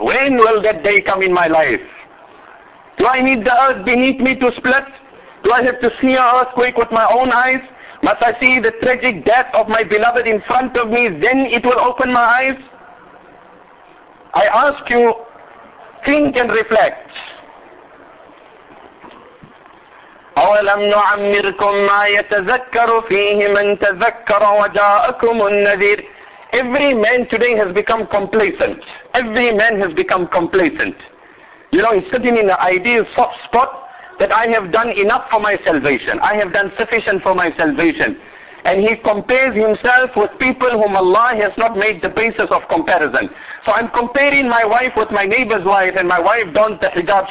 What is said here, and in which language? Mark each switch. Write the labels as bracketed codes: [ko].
[en] When will that day come in my life? Do I need the earth beneath me to split? Do I have to see an earthquake with my own eyes? Must I see the tragic death of my beloved in front of me, then it will open my eyes? I ask you, think and reflect. [ar] أَوَلَمْ نُعَمِّرْكُمْ مَا يَتَذَكَّرُ فِيهِ مَنْ تَذَكَّرَ وَجَاءَكُمُ النَّذِيرِ Every man today has become complacent. [en] Every man has become complacent. You know, he's sitting in the ideal soft spot that I have done enough for my salvation. I have done sufficient for my salvation. And he compares himself with people whom Allah has not made the basis of comparison. So I'm comparing my wife with my neighbor's wife, and my wife dons the hijab.